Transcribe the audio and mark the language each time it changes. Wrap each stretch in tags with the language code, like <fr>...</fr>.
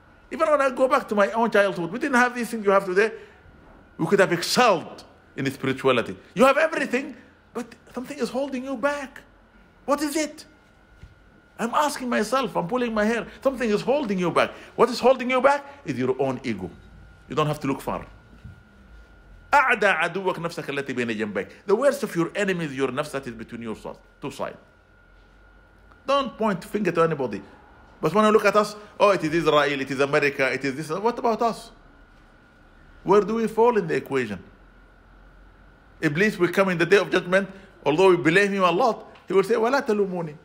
<en>Even when I go back to my own childhood, we didn't have these things you have today. We could have excelled in spirituality. You have everything, but something is holding you back. What is it? I'm asking myself, I'm pulling my hair. Something is holding you back. What is holding you back is your own ego. You don't have to look far.</en> <ar>أعدى عدوك نفسك التي بين جنبك.</ar> <en>The worst of your enemy is your nafs that is between your two sides. Don't point finger to anybody. But when you look at us, oh, it is Israel, it is America, it is this. What about us? Where do we fall in the equation? Iblis will come in the day of judgment, although we blame him a lot, he will say,</en> <ar>ولا تلوموني.</ar>